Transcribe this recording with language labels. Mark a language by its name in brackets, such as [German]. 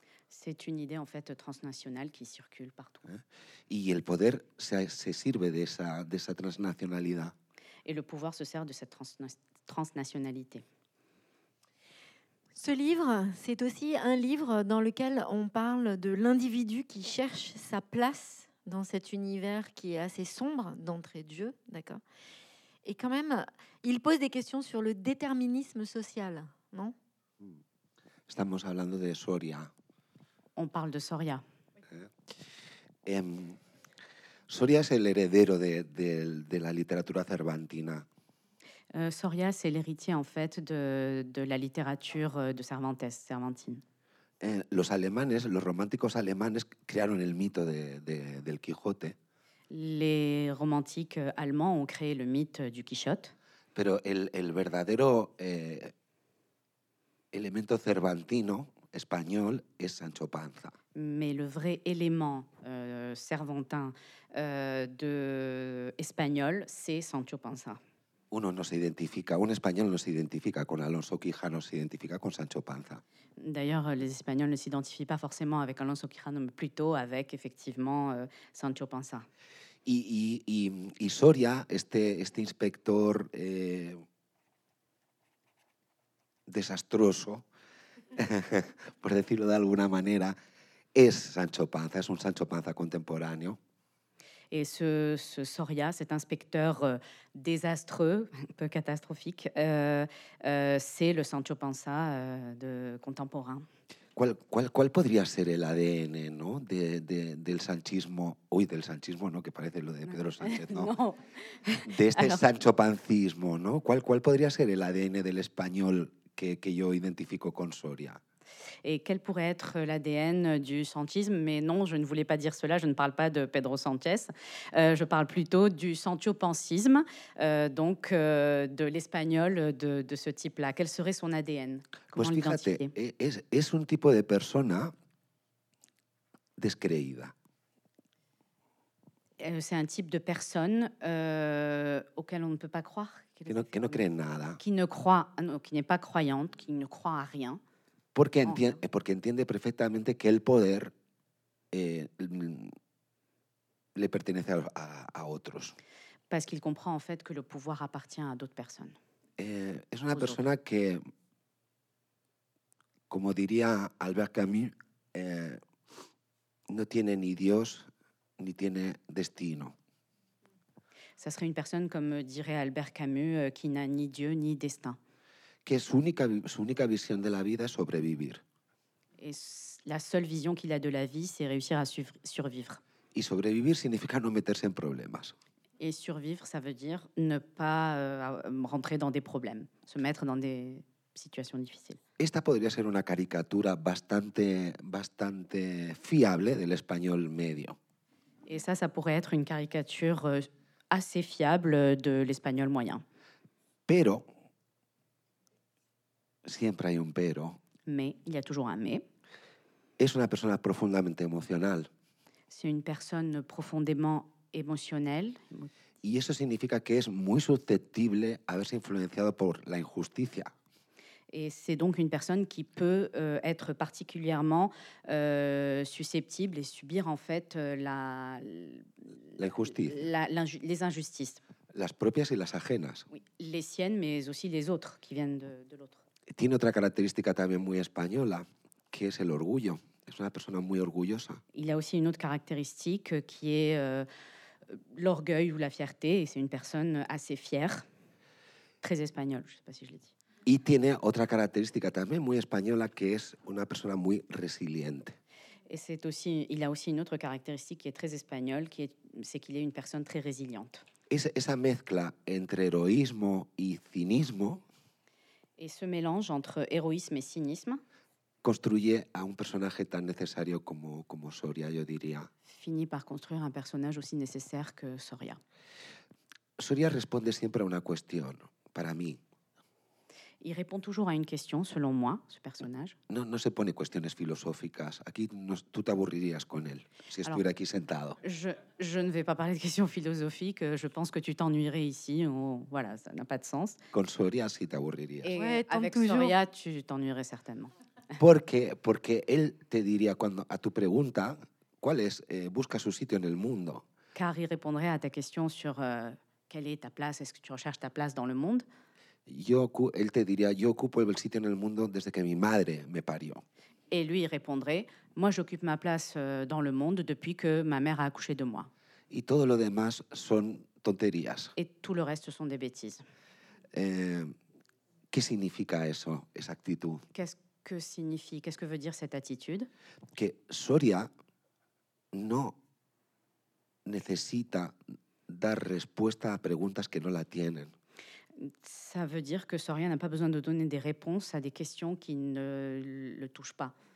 [French] C'est une idée en fait transnationale qui circule partout. [Spanish] Y el poder se sirve de esa transnacionalidad. [French] Et le pouvoir se sert de cette transnationalité. Ce livre, c'est aussi un livre dans lequel on parle de l'individu qui cherche sa place dans cet univers qui est assez sombre d'entrée de jeu, d'accord. Et quand même, il pose des questions sur le déterminisme social, non? [Spanish] Estamos hablando de Soria. [French] On parle de Soria. [Spanish] Soria es el heredero de la literatura cervantina. [French] Soria, c'est l'héritier en fait de la littérature de Cervantes, Cervantine. [Spanish] Los alemanes, los románticos alemanes, crearon el mito del Quijote. [French] Les romantiques allemands ont créé le mythe du Quichotte. [Spanish] Pero el verdadero elemento cervantino español es Sancho Panza. [French] Mais le vrai élément cervantin de espagnol, c'est Sancho Panza. [Spanish] Uno no se identifica, un español no se identifica con Alonso Quijano, se identifica con Sancho Panza. [French] D'ailleurs, les Espagnols ne s'identifient pas forcément avec Alonso Quijano, mais plutôt avec, effectivement, Sancho Panza. [Spanish] Y Soria, este inspector desastroso, por decirlo de alguna manera, es Sancho Panza, es un Sancho Panza contemporáneo. [French] Et ce Soria, cet inspecteur désastreux, un peu catastrophique, c'est le Sancho Panza de contemporain. [Spanish] ¿Cuál podría ser el ADN, ¿no? del sanchismo, uy, del sanchismo, ¿no? Que parece lo de Pedro Sánchez, ¿no? No. De este Alors... Sancho Pancismo, ¿no? ¿Cuál podría ser el ADN del español que yo identifico con Soria? [French] Et quel pourrait être l'ADN du sanchisme? Mais non, je ne voulais pas dire cela, je ne parle pas de Pedro Sánchez. Je parle plutôt du sanchopancisme, donc de l'espagnol de ce type-là. Quel serait son ADN? Comment [Spanish] pues fíjate, es un tipo de persona descreída. [French] C'est un type de personne auquel on ne peut pas croire. [Spanish] Que no cree nada. [French] Qui ne croit, no, qui n'est pas croyante, qui ne croit à rien. [Spanish] Porque entiende perfectamente que el poder le pertenece a otros. [French] Parce qu'il comprend en fait que le pouvoir appartient à d'autres personnes. [Spanish] Es una persona que, como diría Albert Camus, no tiene ni Dios ni tiene destino. [French] Ça serait une personne, comme dirait Albert Camus, qui n'a ni Dieu ni destin. [Spanish] Que su única visión de la vida es sobrevivir. [French] Et la seule vision qu'il a de la vie, c'est réussir à survivre. [Spanish] Y sobrevivir significa no meterse en problemas. [French] Et survivre, ça veut dire ne pas rentrer dans des problèmes, se mettre dans des situations difficiles. [Spanish] Esta podría ser una caricatura bastante, bastante fiable del español medio. [French] Et ça pourrait être une caricature assez fiable de l'espagnol moyen. [Spanish] Pero siempre hay un pero. [French] Mais il y a toujours un mais. [Spanish] Es una persona profundamente emocional. [French] C'est une personne profondément émotionnelle. [Spanish] Y eso significa que es muy susceptible a verse influenciado por la injusticia. [French] Et c'est donc une personne qui peut être particulièrement susceptible et subir en fait les injustices. [Spanish] Las propias y las ajenas. [French] Oui, les siennes mais aussi les autres qui viennent de l'autre. [Spanish] Tiene otra característica también muy española, que es el orgullo. Es una persona muy orgullosa. [French] Il a aussi une autre caractéristique qui est l'orgueil ou la fierté, et c'est une personne assez fière, très espagnole, je sais pas si je l'ai dit. [Spanish] Y tiene otra característica también muy española, que es una persona muy resiliente. [French] Et c'est aussi il a aussi une autre caractéristique qui est très espagnole, qui est c'est qu'il est une personne très résiliente. [Spanish] Esa mezcla entre heroísmo y cinismo. [French] Et ce mélange entre héroïsme et cynisme [Spanish] construye a un personaje tan necesario como Soria, yo diría. [French] Finit par construire un personnage aussi nécessaire que Soria. [Spanish] Soria responde siempre a una cuestión, para mí. [French] Il répond toujours à une question, selon moi, ce personnage. [Spanish] No se pone cuestiones filosóficas. Aquí tú te aburrirías con él, si estuviera aquí sentado. [French] Je ne vais pas parler de questions philosophiques. Je pense que tu t'ennuierais ici. Voilà, ça n'a pas de sens. [Spanish] Con Soria sí te aburrirías. [French] Soria, tu t'ennuierais certainement. [Spanish] Porque él te diría, cuando, a tu pregunta, ¿cuál es? Busca su sitio en el mundo. [French] Car il répondrait à ta question sur quelle est ta place, est-ce que tu recherches ta place dans le monde. [Spanish] Él te diría, yo ocupo el sitio en el mundo desde que mi madre me parió. [French] Et lui répondrait, moi j'occupe ma place dans le monde depuis que ma mère a accouché de moi. [Spanish] Y todo lo demás son tonterías. [French] Et tout le reste sont des bêtises. [Spanish] ¿Qué significa eso, esa actitud? [French] Qu'est-ce que veut dire cette attitude? [Spanish] Que Soria no necesita dar respuesta a preguntas que no la tienen. [French] Ça veut dire que Soria n'a pas besoin de donner des réponses à des questions qui ne le touchent pas.